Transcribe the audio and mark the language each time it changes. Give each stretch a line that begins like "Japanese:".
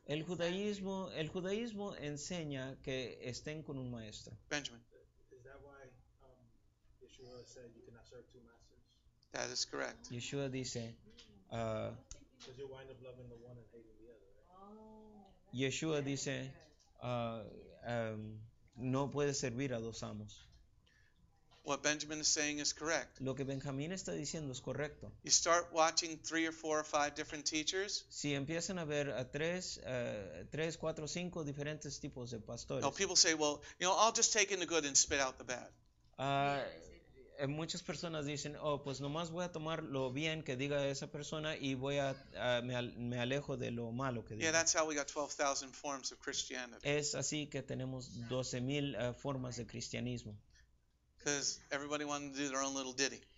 Spanish: El judaísmo enseña que estén con un maestro.
English: Benjamin. Is that why Yeshua said you cannot serve two masters? That is correct.
Spanish: Yeshua dice,
English: because you wind up loving the one and hating the other, right?
Spanish: Yeshua dice, no puede servir a dos amos.
English: What Benjamin is saying is correct.
Spanish: Lo que Benjamín está diciendo es correcto.
English: You start watching three or four or five different teachers.
Spanish: Si empiezan a ver a tres, cuatro, cinco diferentes tipos de pastores.
English: No, people say, well, you know, I'll just take in the good and spit out the bad.
Spanish: Muchas personas dicen, oh, pues nomás voy a tomar lo bien que diga esa persona y voy a me alejo de lo malo que diga.
English: Yeah, that's how we got 12,000 forms of Christianity.
Spanish: Es así que tenemos 12,000 formas de cristianismo.
English: Because everybody wanted to do their own little ditty.